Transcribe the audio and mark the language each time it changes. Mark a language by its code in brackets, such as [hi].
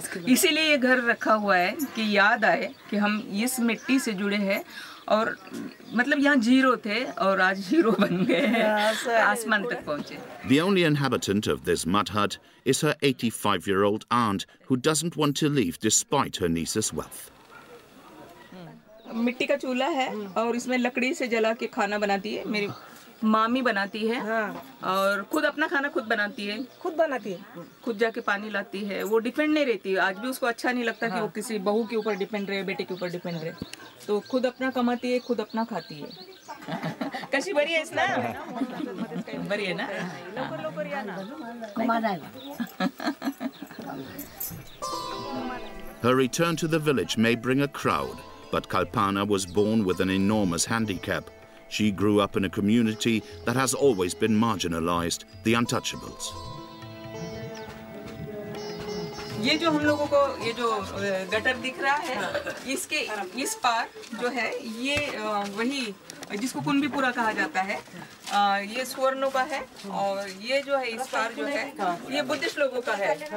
[hi] इसीलिए ये घर रखा हुआ है कि याद आए कि हम इस मिट्टी से जुड़े हैं और मतलब यहाँ जीरो थे और आज जीरो बन गए हैं आसमान तक पहुँचे। [en] The only inhabitant of this mud hut is her 85-year-old aunt who doesn't want to leave despite her niece's wealth. [hi] मिट्टी का चूल्हा है और इसमें लकड़ी से जला के खाना बनाती है मेरी मामी बनाती है और खुद अपना खाना खुद बनाती है खुद जाके पानी लाती है वो डिपेंड नहीं रहती आज भी उसको अच्छा नहीं लगता कि वो किसी बहू के ऊपर डिपेंड रहे बेटे के ऊपर डिपेंड रहे तो खुद अपना कमाती है खुद अपना खाती है कैसी बढ़िया है ना बढ़िया ना लोकर लोकर या ना कमाना है [en] Her return to the village may bring a crowd, but Kalpana was born with an enormous handicap. She grew up in a community that has always been marginalized, the untouchables. [hi] ये जो हम लोगों को ये जो गटर दिख रहा है इसके इस पार जो है ये वही जिसको कुनबीपुरा कहा जाता है ये सुवर्णों का है और ये जो है इस पार जो है ये बुद्धिस्ट लोगों का है